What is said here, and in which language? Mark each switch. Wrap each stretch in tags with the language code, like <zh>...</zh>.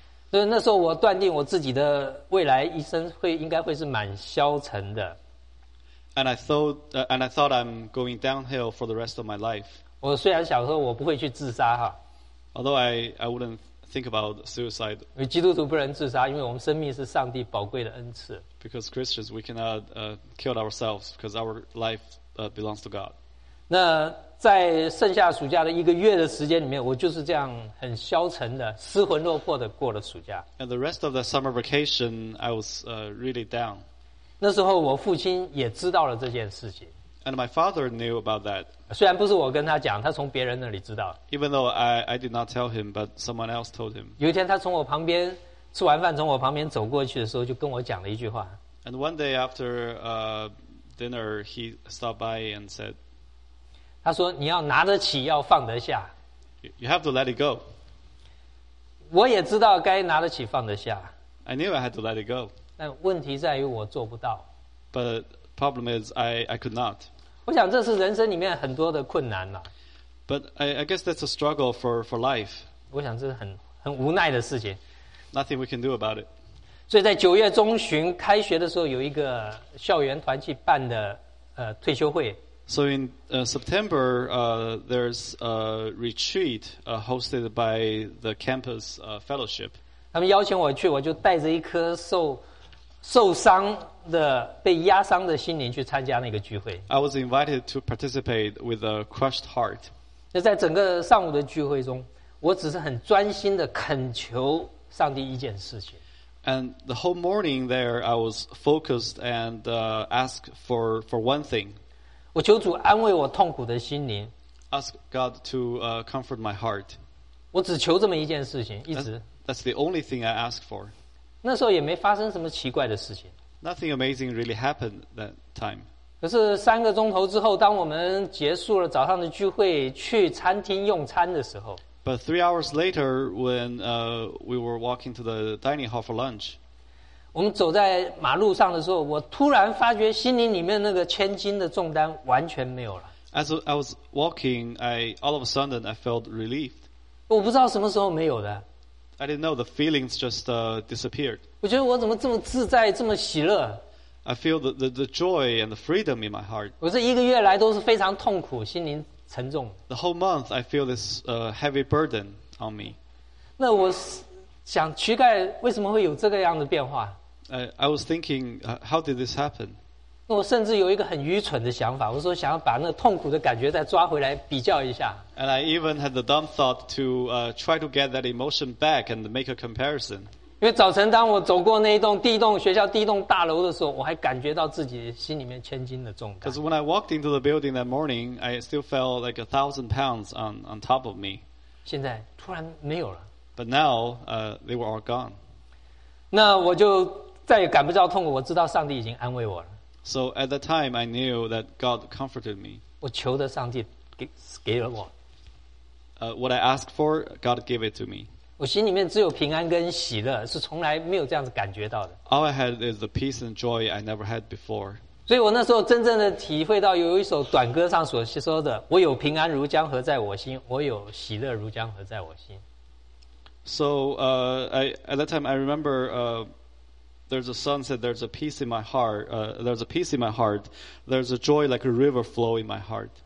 <zh>所以那时候我断定我自己的未来一生应该会是蛮消沉的。</zh> <en>And I thought I'm going downhill for the rest of my life.</en> <zh>我虽然想说我不会去自杀哈。</zh> <en>Although I wouldn't think about suicide.</en> <zh>因为基督徒不能自杀，因为我们生命是上帝宝贵的恩赐。</zh> <en>Because Christians, we cannot kill ourselves because our life belongs to God.</en> <zh>那在剩下暑假的一个月的时间里面，我就是这样很消沉的、失魂落魄的过了暑假。</zh> <en>And the rest of the summer vacation, I was really down.</en> <zh>那时候我父亲也知道了这件事情。</zh> <en>And my father knew about that.</en> <zh>虽然不是我跟他讲，他从别人那里知道。</zh> <en>Even though I did not tell him, but someone else told him.</en> <zh>有一天，他从我旁边吃完饭，从我旁边走过去的时候，就跟我讲了一句话。</zh> <en>And one day after dinner, he stopped by and said.</en> <zh>他说：“你要拿得起，要放得下。</zh> <en>You have to let it go.</en> <zh>我也知道该拿得起，放得下。</zh> <en>I knew I had to let it go.</en> <zh>但问题在于我做不到。</zh> <en>But problem is, I could not.</en> <zh>我想这是人生里面很多的困难了。</zh> <en>But I guess that's a struggle for life.</en> <zh>我想这是很无奈的事情。</zh> <en>Nothing we can do about it.</en> <zh>所以在九月中旬开学的时候，有一个校园团去办的退休会。</zh> <en>So in September, there's a retreat hosted by the campus fellowship.</en> <zh>他们邀请我去，我就带着一颗受伤的、被压伤的心灵去参加那个聚会。</zh> <en>I was invited to participate with a crushed heart.</en> <zh>那在整个上午的聚会中，我只是很专心的恳求上帝一件事情。</zh> <en>And the whole morning there, I was focused and asked for one thing.</en> <zh>我求主安慰我痛苦的心灵。</zh> <en>Ask God to comfort my heart.</en> <zh>我只求这么一件事情，一直。</zh> <en>That's the only thing I ask for.</en> <zh>那时候也没发生什么奇怪的事情。</zh> <en>Nothing amazing really happened that time.</en> <zh>可是三个钟头之后，当我们结束了早上的聚会，去餐厅用餐的时候。</zh> <en>But 3 hours later, when we were walking to the dining hall for lunch.</en> <zh>我们走在马路上的时候，我突然发觉心灵里面那个千斤的重担完全没有了。</zh> <en>As I was walking, all of a sudden I felt relieved.</en> <zh>我不知道什么时候没有的。</zh> <en>I didn't know the feelings just disappeared.</en> <zh>我觉得我怎么这么自在，这么喜乐。</zh> <en>I feel the joy and the freedom in my heart.</en> <zh>我这一个月来都是非常痛苦，心灵沉重。</zh> <en>The whole month I feel this heavy burden on me.</en> <zh>那我想躯干为什么会有这个样的变化</zh> <en>I was thinking how did this happen</en> <zh>我甚至有一个很愚蠢的想法我说想要把那痛苦的感觉再抓回来比较一下</zh> <en>And I even had the dumb thought to try to get that emotion back and make a comparison</en> <zh>因为早晨当我走过那一栋第一栋学校第一栋大楼的时候我还感觉到自己心里面千斤的重担</zh> <en>Because when I walked into the building that morning I still felt like 1,000 pounds on top of me</en> <zh>现在突然没有了</zh> <en>But now, they were all gone.</en> <zh>那我就再也感不到痛苦，我知道上帝已经安慰我了。</zh> <en>So at the time, I knew that God comforted me.</en> <zh>我求的上帝给了我。</zh> <en>What I asked for, God gave it to me.</en> <zh>我心里面只有平安跟喜乐，是从来没有这样子感觉到的。</zh> <en>All I had is the peace and joy I never had before.</en> <zh>所以我那时候真正的体会到有一首短歌上所说的，我有平安如江河在我心，我有喜乐如江河在我心。</zh> <en>So at that time, I remember there's a song said there's a peace in my heart. There's a peace in my heart. There's a joy like a river flow in my heart.</en>